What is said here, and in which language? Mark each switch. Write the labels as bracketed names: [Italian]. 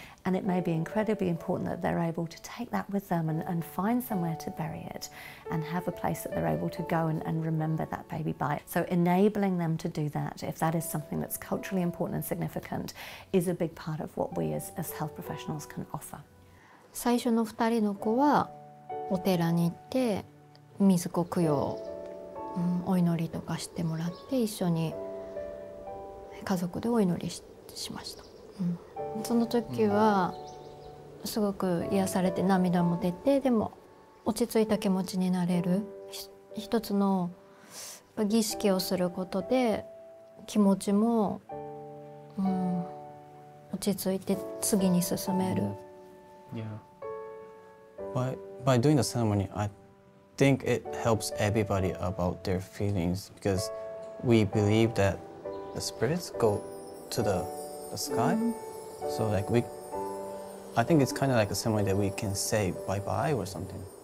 [English] And it may be incredibly important that they're able to take that with them and find somewhere to bury it and have a place that they're able to go and remember that baby by. So enabling them to do that, if that is something that's culturally important and significant, is a big part of what we as health professionals can offer. [Japanese] 最初の二人の子はお寺に行って水子供養、お祈りとかしてもらって一緒に家族でお祈り しました。その時はすごく癒されて涙も出て、でも落ち着いた気持ちになれる、一つの儀式をすることで気持ちも、落ち着いて次に進める。 [English] Yeah. By doing the ceremony, I think it helps everybody about their feelings, because we believe that the spirits go to the sky. Mm-hmm. So like I think it's kind of like a ceremony that we can say bye-bye or something.